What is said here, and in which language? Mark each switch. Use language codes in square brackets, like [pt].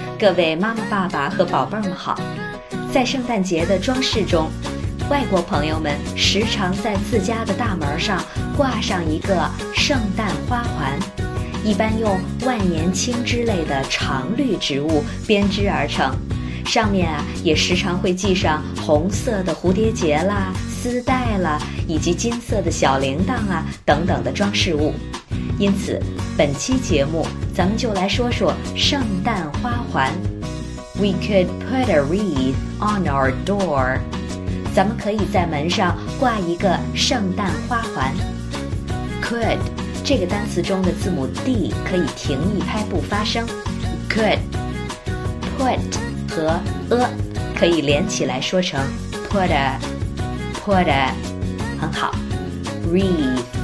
[zh] 各位妈妈爸爸和宝贝们好，在圣诞节的装饰中，外国朋友们时常在自家的大门上挂上一个圣诞花环，一般用万年青之类的常绿植物编织而成，上面啊也时常会系上红色的蝴蝶结啦、丝带啦，以及金色的小铃铛啊等等的装饰物。因此，本期节目咱们就来说说圣诞花环。 [en] We could put a wreath on our door. [zh] 咱们可以在门上挂一个圣诞花环。 Could 这个单词中的字母 d 可以停一拍不发声。 [en] Could put [zh] 和 [en] a [zh] 可以连起来说成 [en] put a put a， [zh] 很好。 [en] Wreath。